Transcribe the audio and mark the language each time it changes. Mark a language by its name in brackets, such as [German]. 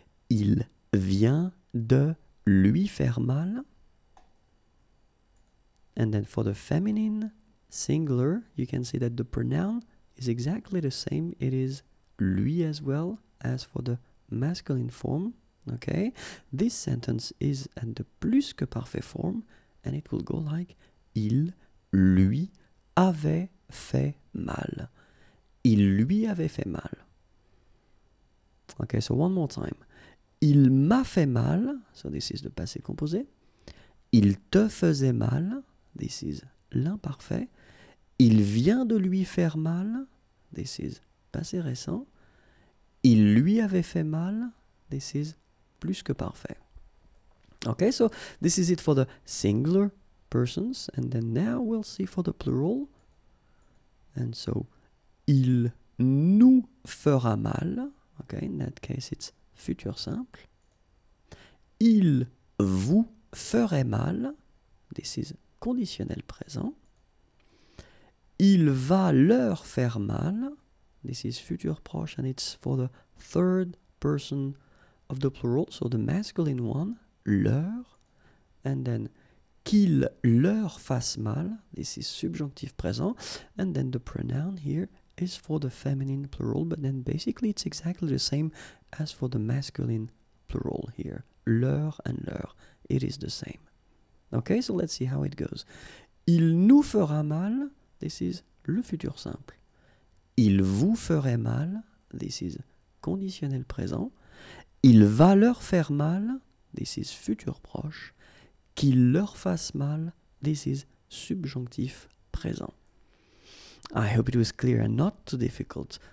[French] Il vient de lui faire mal. [English] And then for the feminine singular, you can see that the pronoun is exactly the same. It is lui as well as for the masculine form. Okay, this sentence is at the plus que parfait form, and it will go like [French] il lui avait fait mal. Il lui avait fait mal. [English] Okay, so one more time. [French] Il m'a fait mal, [English] so this is the [French] passé composé. Il te faisait mal, [English] this is [French] l'imparfait. Il vient de lui faire mal, [English] this is [French] passé récent. Il lui avait fait mal, [English] this is [French] plus que parfait. [English] Okay, so this is it for the singular persons, and then now we'll see for the plural. And so, [French] il nous fera mal. [English] Okay, in that case, it's futur simple. [French] Il vous ferait mal. [English] This is conditionnel présent. [French] Il va leur faire mal. [English] This is futur proche, and it's for the third person of the plural, so the masculine one, leur, and then [French] qu'il leur fasse mal, [English] this is subjonctive présent, and then the pronoun here is for the feminine plural, but then basically it's exactly the same as for the masculine plural here, leur and leur, it is the same. Okay, so let's see how it goes. [French] Il nous fera mal, [English] this is [French] le futur simple. Il vous ferait mal, [English] this is [French] conditionnel présent. Il va leur faire mal, [English] this is [French] futur proche. Qu'il leur fasse mal, [English] this is [French] subjonctif présent. [English] I hope it was clear and not too difficult.